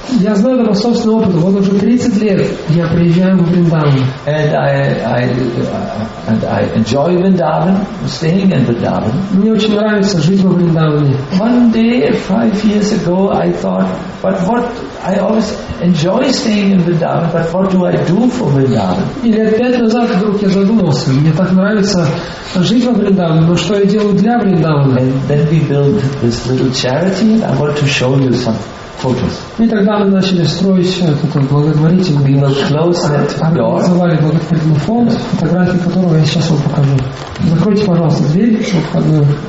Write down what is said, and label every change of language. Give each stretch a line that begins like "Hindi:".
Russian: Я знаю это по собственному опыту. Вот уже 30 лет я приезжаю в Вриндаван.
English: And I enjoy Vrindavan, staying in Vrindavan.
Russian: Мне очень нравится жить во Вриндаване.
English: One day, 5 years ago, I thought, but what I always enjoy staying in Vrindavan, but what do I do for Vrindavan?
Russian: И лет 5 назад вдруг я задумался, мне так нравится жить во Вриндаване, но что я делаю для Вриндавана?
English: And then we built this little charity, and I want to show you some.
Russian: И тогда мы начали строить этот благотворительный благотворительный фонд, фотографии которого я сейчас вам покажу. Закройте, пожалуйста, дверь, чтобы входную.